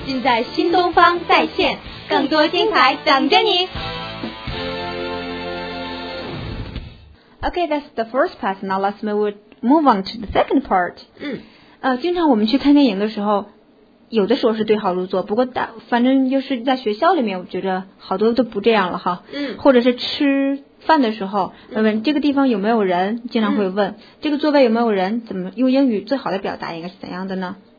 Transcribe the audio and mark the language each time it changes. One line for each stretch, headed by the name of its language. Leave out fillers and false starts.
Chinese: 尽在新东方在线，更多精彩等着你。
English: Okay, that's the first part. Now let's move on to the second part.
Chinese: 经常我们去看电影的时候，有的时候是对号入座，不过反正就是在学校里面，我觉得好多都不这样了哈。嗯。或者是吃饭的时候，问这个地方有没有人，经常会问这个座位有没有人，怎么用英语最好的表达应该是怎样的呢？